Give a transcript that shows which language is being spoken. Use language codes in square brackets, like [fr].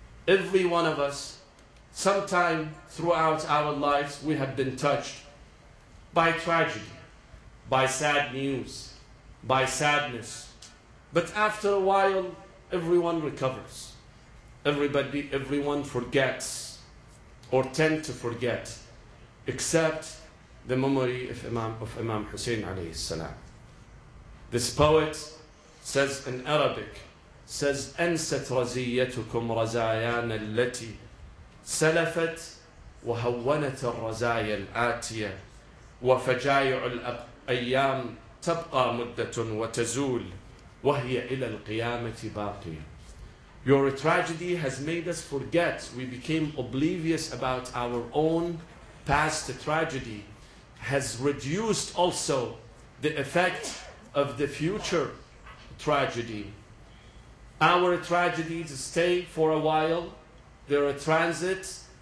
[en] Every one of us, sometime throughout our lives, we have been touched by tragedy, by sad news, by sadness. But after a while, everyone recovers. Everyone forgets, or tend to forget, except the memory of Imam Hussein alayhi salam. This poet says in Arabic, says, [ar] أنست رزيتكم رزايانا التي سلفت وهونت الرزايا الآتية وفجايع الأيام تبقى مدة وتزول وهي إلى القيامة باقية. [en] Your tragedy has made us forget. We became oblivious about our own past tragedy. Has reduced also the effect of the future tragedy. Our tragedies stay for a while. They're a transit.